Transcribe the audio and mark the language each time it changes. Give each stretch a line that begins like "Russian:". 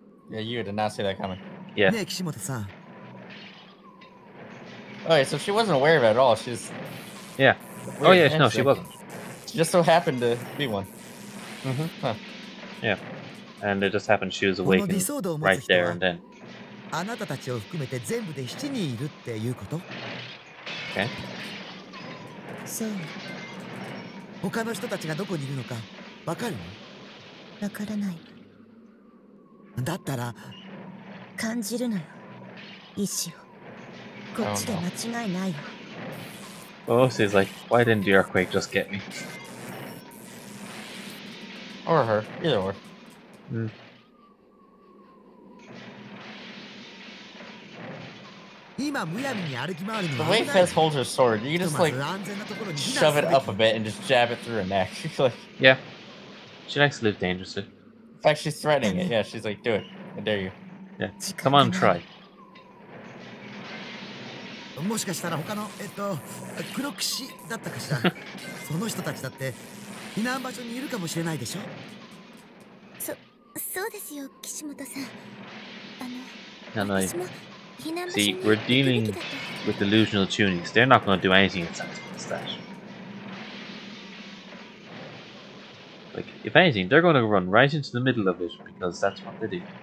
English: Yeah, you did not see that coming. Yeah. Okay, so she wasn't aware of it at all. She's. Yeah. Oh, yeah, no, she wasn't. She just so happened to be one. Mm-hmm. Huh. Yeah. And it just happened she was awakened right there and then.
Japanese: あなたたちを含めて全部で7人いるっていうこと? OK。さあ、他の人たちがどこにいるのか分かるの?分からない。だったら感じるのよ。意思を。こっちで間違いないよ。
English: Oh, she's like, why didn't the earthquake just get me? Or her, either or. The way Fez holds her sword, you can just like shove it up a bit and just jab it through her neck. Yeah. She likes to live dangerously. In fact, she's threatening it. Yeah, she's like, do it. I dare you. Yeah. Come on, try.
Japanese: もしかしたら他の、クロクシだったかしら。その人たちだって避難場所にいるかもしれないでしょ?そうですよ、岸本さん。あの、私も
English: See, we're dealing with delusional tunies. They're not going to do anything as sensible as that. Like, if anything, they're going to run right into the middle of it because that's what they do.